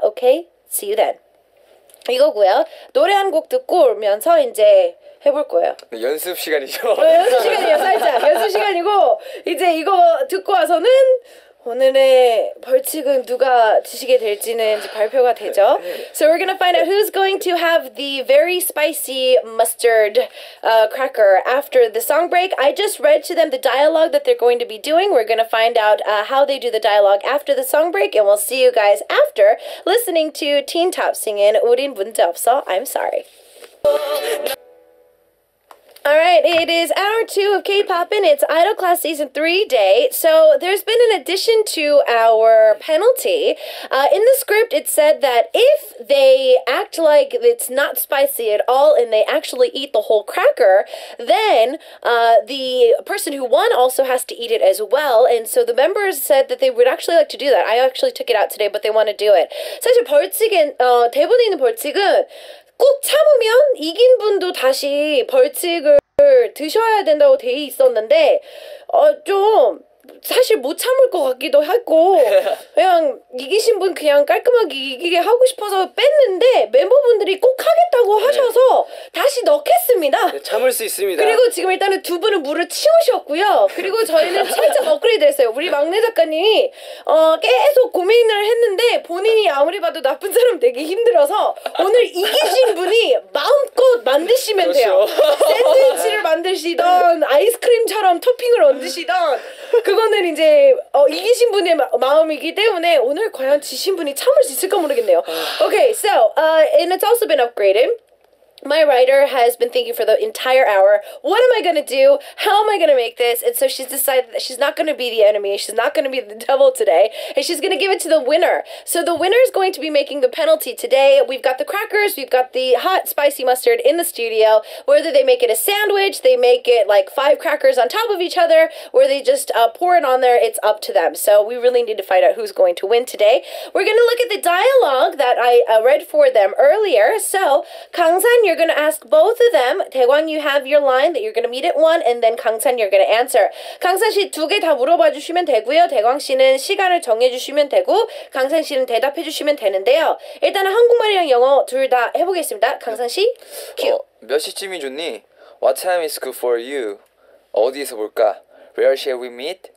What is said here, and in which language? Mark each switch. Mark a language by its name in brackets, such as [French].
[English] Okay, see you then. [Korean] 이거고요. 노래 한 곡 듣고 오면서 이제 해볼 거예요. 네, 연습 시간이죠. 연습 시간이에요, 살짝. 연습 시간이고 이제 이거 듣고 와서는 오늘의 벌칙은 누가 주시게 될지는 이제 발표가 되죠. [English] So we're gonna find out who's going to have the very spicy mustard cracker after the song break. I just read to them the dialogue that they're going to be doing. We're gonna find out how they do the dialogue after the song break, and we'll see you guys after listening to Teen Top singing 우린 문제 없어, I'm sorry. Alright, it is hour two of K-pop, and it's Idol Class Season 3 day. So there's been an addition to our penalty. In the script, it said that if they act like it's not spicy at all and they actually eat the whole cracker, then the person who won also has to eat it as well. And so the members said that they would actually like to do that. I actually took it out today, but they want to do it. [Korean] 사실 벌칙은, 대본에 있는 벌칙은 꼭 참으면 이긴 분도 다시 벌칙을 드셔야 된다고 돼 있었는데 좀 사실 못 참을 것 같기도 했고 그냥 이기신 분 그냥 깔끔하게 이기게 하고 싶어서 뺐는데 멤버분들이 꼭 하겠다고 하셔서 네. 다시 넣겠습니다. 네, 참을 수 있습니다. 그리고 지금 일단은 두 분은 물을 치우셨고요. 그리고 저희는 살짝 업그레이드 했어요. 우리 막내 작가님이 계속 고민을 했는데 본인이 아무리 봐도 나쁜 사람 되기 힘들어서 오늘 이기신 분이 마음껏 만드시면 그렇죠. 돼요. 샌드위치를 만드시던 아이스크림처럼 토핑을 얹으시던 그거 이거는 이제 이기신 분의 마음이기 때문에 오늘 과연 지신 분이 참을 수 있을까 모르겠네요. [English] Okay, so and it's also been upgraded. My writer has been thinking for the entire hour, what am I going to do? How am I going to make this? And so she's decided that she's not going to be the enemy. She's not going to be the devil today. And she's going to give it to the winner. So the winner is going to be making the penalty today. We've got the crackers. We've got the hot spicy mustard in the studio. Whether they make it a sandwich, they make it like five crackers on top of each other, or they just pour it on there, it's up to them. So we really need to find out who's going to win today. We're going to look at the dialogue that I read for them earlier. So Kangsan, you're going to ask both of them. Daekwang, you have your line that you're going to meet at one, and then Kangsan, you're going to answer. [Korean] 강산 씨 두 개 다 물어봐 주시면 되고요. 대광 씨는 시간을 정해 주시면 되고, 강산 씨는 대답해 주시면 되는데요. 일단 한국말이랑 영어 둘 다 해보겠습니다. 강산 씨, 큐. 몇 시쯤이 좋니? [English] What time is good for you? [Korean] 어디에서 볼까? [English] Where shall we meet?